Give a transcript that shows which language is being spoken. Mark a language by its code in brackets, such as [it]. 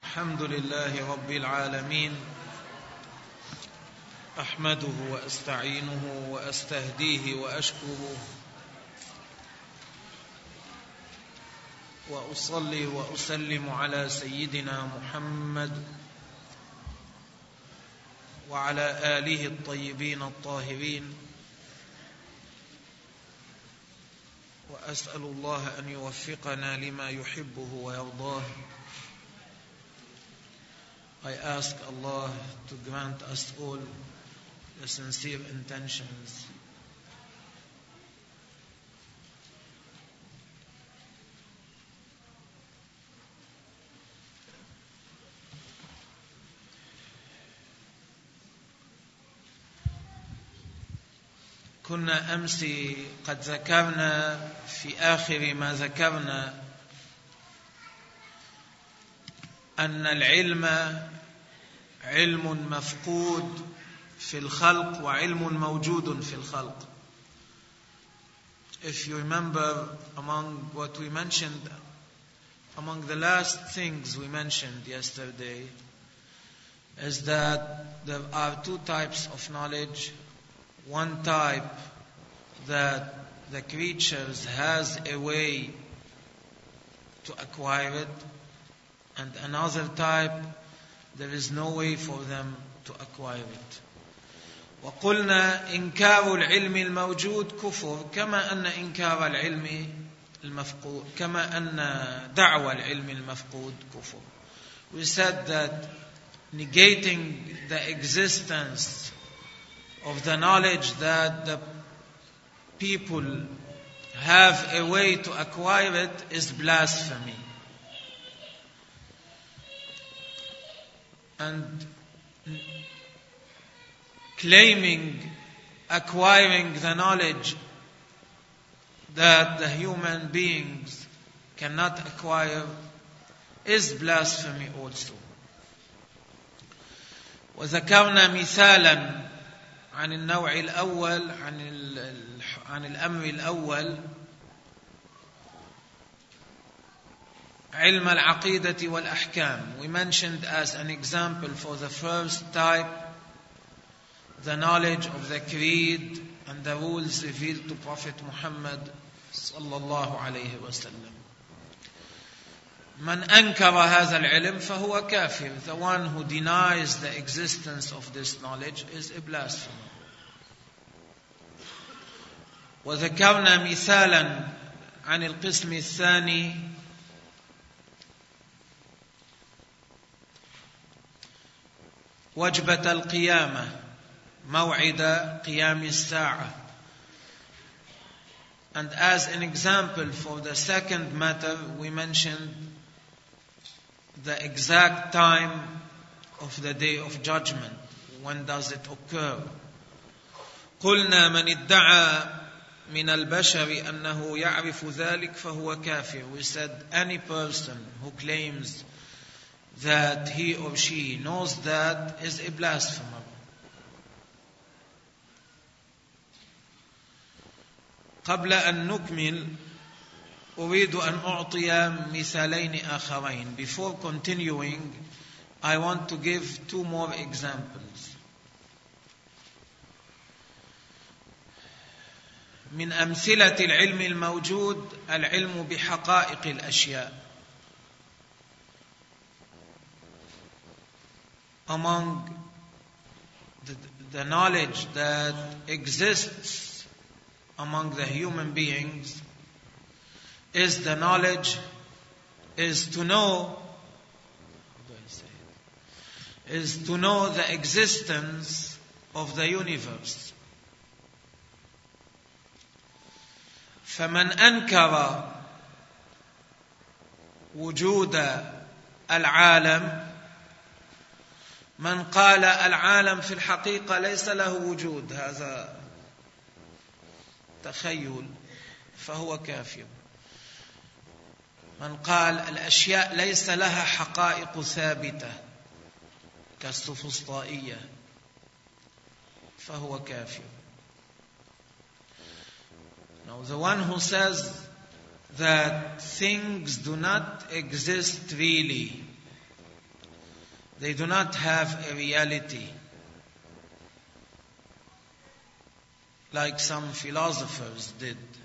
[ar] الحمد لله رب العالمين أحمده وأستعينه وأستهديه وأشكره وأصلي وأسلم على سيدنا محمد وعلى آله الطيبين الطاهرين وأسأل الله أن يوفقنا لما يحبه ويرضاه. [en] I ask Allah to grant us all the sincere intentions. [ar] كنا أمس قد ذكرنا في آخر ما ذكرنا أن العلم علم مفقود في الخلق وعلم موجود في الخلق. [en] If you remember among what we mentioned, among the last things we mentioned yesterday, is that there are two types of knowledge. One type that the creatures has a way to acquire it, and another type there is no way for them to acquire it. [ar] وقلنا إنكار العلم الموجود كفر كما أن إنكار العلم المفقود كما أن دعوة العلم المفقود كفر. [en] We said that negating the existence of the knowledge that the people have a way to acquire it is blasphemy. And claiming, acquiring the knowledge that the human beings cannot acquire is blasphemy also. [ar] وذكرنا مثالا عن النوع الأول عن الأمر الأول علم العقيدة والأحكام. [en] We mentioned as an example for the first type the knowledge of the creed and the rules revealed to Prophet Muhammad [ar] صلى الله عليه وسلم. من أنكر هذا العلم فهو كافر. [en] The one who denies the existence of this knowledge is a blasphemer. [ar] وذكرنا مثالا عن القسم الثاني وجبة القيامة موعد قيام الساعة. [en] And as an example for the second matter, we mentioned the exact time of the day of judgment. When does it occur? [ar] قلنا من ادعى من البشر أنه يعرف ذلك فهو كافر. [en] We said any person who claims that he or she knows that is a blasphemer. [ar] قبل أن نكمل أريد أن أعطي مثالين آخرين. [en] Before continuing, I want to give two more examples. [ar] من أمثلة العلم الموجود العلم بحقائق الأشياء. [en] Among the knowledge that exists among the human beings is the knowledge is to know the existence of the universe. [ar] فمن أنكر وجود العالم من قال العالم في الحقيقة ليس له وجود هذا تخيل فهو كافر. من قال الأشياء ليس لها حقائق ثابتة كالسفسطائية فهو كافر. [en] Now the one who says that things do not exist really They do not have a reality like some philosophers did.